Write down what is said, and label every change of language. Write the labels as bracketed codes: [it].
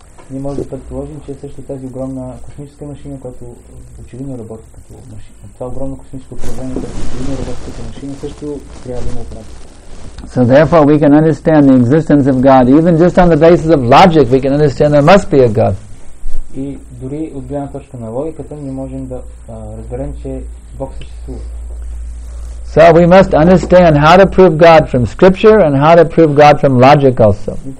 [bg] Не може да предположим, че също тази огромна космическа машина, която очевидно работи като машина. Това огромно космическо управление, което очевидно работи като машина, също трябва да има оператор. [en] So therefore we can understand the existence of God. Even just on the basis of logic, we can understand there must be a God. [bg] И дори от гледна точка на логиката, ние можем да разберем, че Бог съществува. [en] So we must understand how to prove God from scripture and how to prove God from logic also.